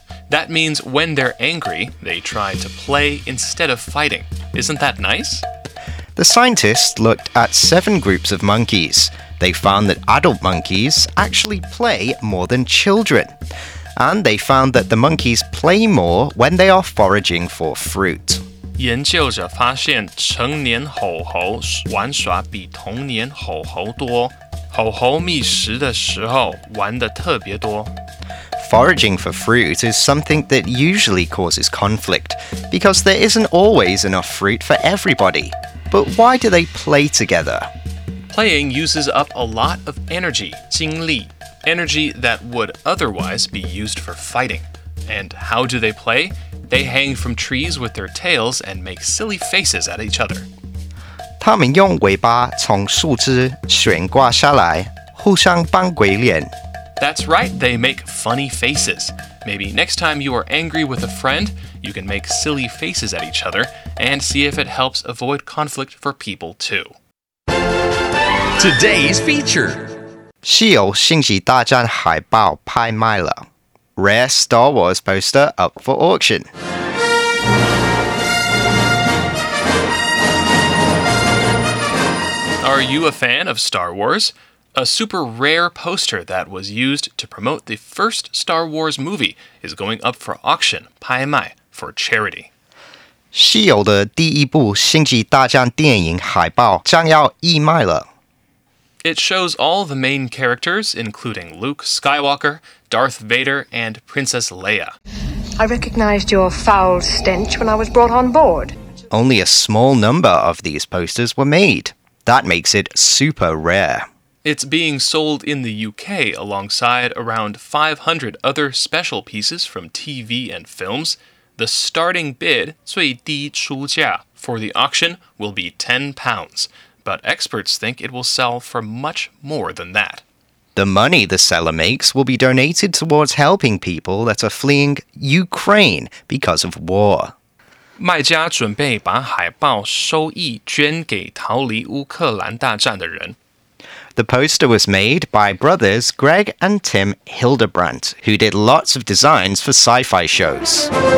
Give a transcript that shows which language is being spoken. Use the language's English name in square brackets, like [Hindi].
[English] That means when they're angry, they try to play instead of fighting. Isn't that nice? The scientists looked at 7 groups of monkeys. They found that adult monkeys actually play more than children. And they found that the monkeys play more when they are foraging for fruit. [Chinese] 研究者发现成年吼猴玩耍比童年吼猴多。吼猴觅食的时候玩得特别多。 [English] Foraging for fruit is something that usually causes conflict, because there isn't always enough fruit for everybody. But why do they play together? Playing uses up a lot of energy, [Chinese] 精力, [English] energy that would otherwise be used for fighting. And how do they play? They hang from trees with their tails and make silly faces at each other. [Chinese] 他们用尾巴从树枝悬挂下来,互相扮鬼脸。 [English] That's right, they make funny faces. Maybe next time you are angry with a friend, you can make silly faces at each other and see if it helps avoid conflict for people too. Today's feature. [Chinese] 稀有星际大战海报拍卖了. [English] Rare Star Wars poster up for auction. Are you a fan of Star Wars? A super rare poster that was used to promote the first Star Wars movie is going up for auction, [Chinese] 拍卖, [English] for charity. [Chinese] 稀有的第一部星际大战电影海报将要义卖了。 [English] It shows all the main characters, including Luke Skywalker, Darth Vader, and Princess Leia. I recognized your foul stench when I was brought on board. Only a small number of these posters were made. That makes it super rare. It's being sold in the UK alongside around 500 other special pieces from TV and films. The starting bid, [Chinese] 最低出价, [English] for the auction will be £10. But experts think it will sell for much more than that. The money the seller makes will be donated towards helping people that are fleeing Ukraine because of war. [Chinese] 卖家准备把海报收益捐给逃离乌克兰大战的人。 [English] The poster was made by brothers Greg and Tim Hildebrandt, who did lots of designs for sci-fi shows.